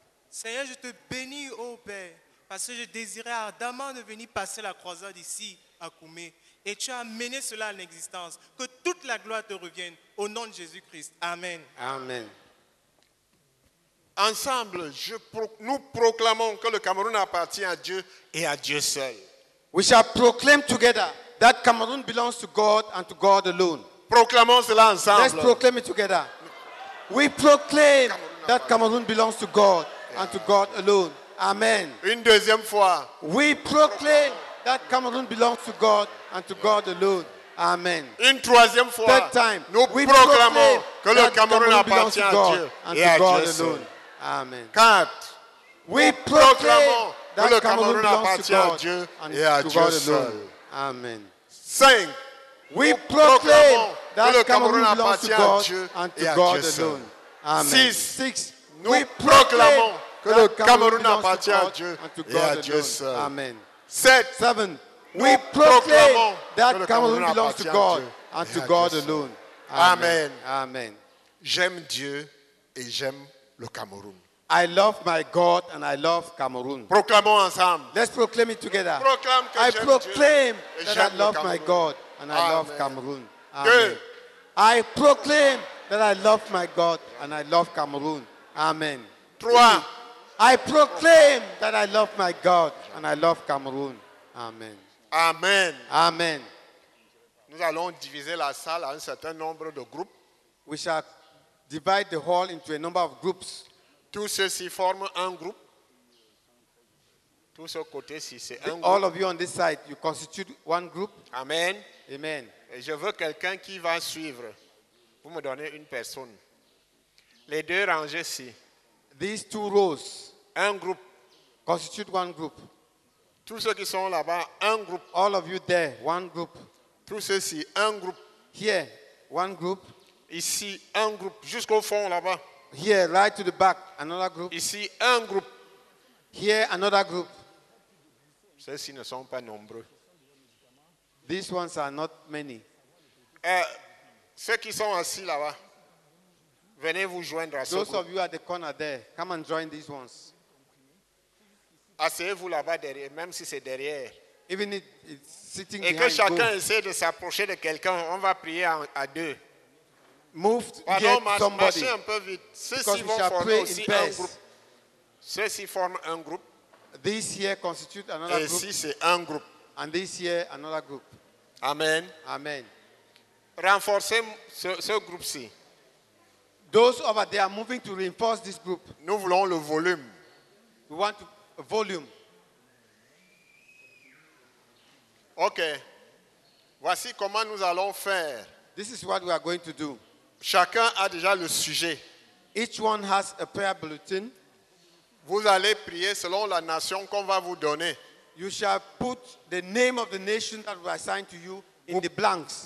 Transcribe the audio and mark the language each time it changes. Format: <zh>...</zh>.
<fr>Seigneur, je te bénis, oh Père, parce que je désirais ardemment de venir passer la croisade ici à Koumé. Et tu as mené cela à l'existence. Que toute la gloire te revienne, au nom de Jésus-Christ. Amen. Amen. Ensemble, nous proclamons que le Cameroun appartient à Dieu et à Dieu seul.</fr> <en>We shall proclaim together that Cameroon belongs to God and to God alone.</en> <fr>Proclamons cela ensemble.</fr> <en>Let's proclaim it together. We proclaim that Cameroon belongs to God and to God alone. Amen.</en> <fr>Une deuxième fois.</fr> <en>We proclaim that Cameroon belongs to God and to God alone. Amen.</en> <fr>Une troisième fois.</fr> <en>Third time.</en> <fr>Nous proclamons que le Cameroun appartient à Dieu</fr> <en>and to God alone. Amen.</en> <fr>Quatre.</fr> <en>We proclaim that</en> <fr>le Cameroun appartient à Dieu et à Dieu seul. Amen. Cinq.</fr> <en>We proclaim that</en> <fr>le Cameroun appartient à Dieu et à</fr> <en>God</en> <fr>Dieu seul. Amen. Six. Nous proclamons que le Cameroun appartient à Dieu et à Dieu seul. Amen.</fr> <en>Seven. We proclaim that Cameroun belongs to God and to God alone. Amen. Amen.</en> <fr>J'aime Dieu et j'aime le Cameroun.</fr> <en>I love my God and I love Cameroon.</en> <fr>Proclamons ensemble.</fr> <en>Let's proclaim it together.</en> <fr>Proclame que</fr> <en>I proclaim that I love my God and I love Cameroon. Amen. I proclaim that I love my God and I love Cameroon. Amen.</en> <fr>Trois.</fr> <en>I proclaim that I love my God and I love Cameroon. Amen. Amen. Amen.</en> <fr>Nous allons diviser la salle en un certain nombre de groupes.</fr> <en>We shall divide the hall into a number of groups.</en> <fr>Tous ceux-ci forment un groupe. Tout ce côté-ci, c'est un groupe.</fr> <en>All of you on this side, you constitute one group. Amen. Amen.</en> <fr>Et je veux quelqu'un qui va suivre. Vous me donnez une personne. Les deux rangées-ci.</fr> <en>These two rows.</en> <fr>Un groupe.</fr> <en>Constitute one group.</en> <fr>Tous ceux qui sont là-bas, un groupe.</fr> <en>All of you there, one group.</en> <fr>Tous ceux-ci, un groupe.</fr> <en>Here, one group.</en> <fr>Ici, un groupe. Jusqu'au fond, là-bas.</fr> <en>Here, right to the back, another group.</en> <fr>Ici, un groupe.</fr> <en>Here, another group.</en> <fr>Ceux-ci ne sont pas nombreux.</fr> <en>These ones are not many.</en> <fr>Ceux qui sont assis là-bas, venez vous joindre à ce</fr> <en>Those</en> <fr>groupe.</fr> <en>Of you at the corner there, come and join these ones.</en> <fr>Asseyez-vous là-bas derrière, même si c'est derrière.</fr> <en>Even if it's sitting</en> <fr>Et</fr> <en>behind</en> <fr>que chacun essaie de s'approcher de quelqu'un, on va prier à deux.</fr> <en>Move to get somebody.</en> <fr>Marchez un peu vite. Ceux-ci vont former aussi un groupe. Ceux-ci forment un groupe.</fr> <en>This here constitute another group.</en> <fr>Et ici, c'est un groupe.</fr> <en>And this here, another group. Amen. Amen.</en> <fr>Renforcez ce groupe-ci.</fr> <en>Those over there are moving to reinforce this group.</en> <fr>Nous voulons le volume.</fr> <en>We want to, a volume.</en> <fr>OK. Voici comment nous allons faire.</fr> <en>This is what we are going to do.</en> <fr>Chacun a déjà le sujet.</fr> <en>Each one has a prayer bulletin.</en> <fr>Vous allez prier selon la nation qu'on va vous donner.</fr> <en>You shall put the name of the nation that we assign to you in the blanks.</en>